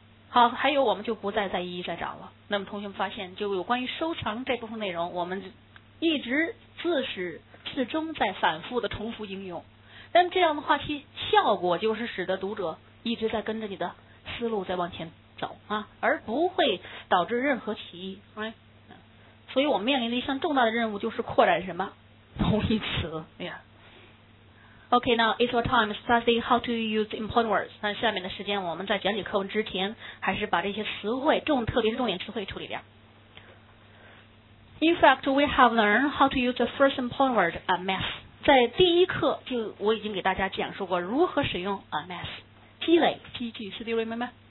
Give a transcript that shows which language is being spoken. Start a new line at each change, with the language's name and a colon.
Chinese: 好，还有我们就不再再一一再找了。那么同学们发现就有关于收藏这部分内容，我们一直自始至终在反复的重复应用，但这样的话其效果就是使得读者一直在跟着你的思路再往前走啊，而不会导致任何歧义、right? 所以我们面临的一项重大的任务就是扩展什么同义词、yeah.
English: OK, now it's our time to study how to use important words.
Chinese: 那下面的时间我们在讲解课文之前还是把这些词汇重特别是重点词汇处理掉。
English: In fact, we have learned how to use the first important word, a mess.
Chinese: 在第一课就我已经给大家讲述过如何使用 a mess积累积聚是对吗？